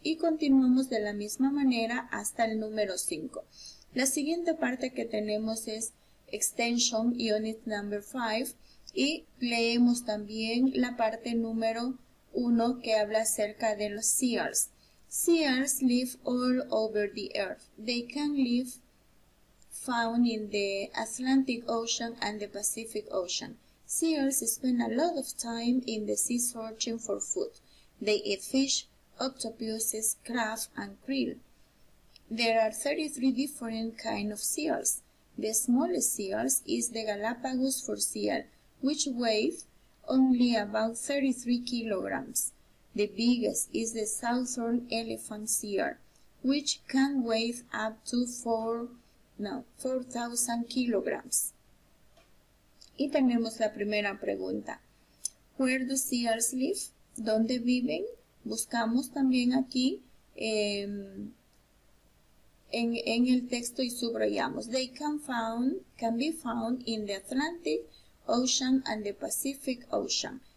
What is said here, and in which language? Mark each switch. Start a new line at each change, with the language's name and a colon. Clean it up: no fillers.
Spanish: Y continuamos de la misma manera hasta el número 5. La siguiente parte que tenemos es extension unit number 5 y leemos también la parte número 1 que habla acerca de los seals.
English: Seals live all over the earth. They can live found in the Atlantic Ocean and the Pacific Ocean. Seals spend a lot of time in the sea searching for food. They eat fish, octopuses, crabs, and krill. There are 33 different kinds of seals. The smallest seals is the Galapagos fur seal, which weighs only about 33 kilograms. The biggest is the southern elephant seal, which can weigh up to 4,000 kilograms.
Spanish: Y tenemos la primera pregunta.
English: Where do seals live?
Spanish: ¿Dónde viven? Buscamos también aquí en el texto y subrayamos.
English: They can be found in the Atlantic Ocean and the Pacific Ocean.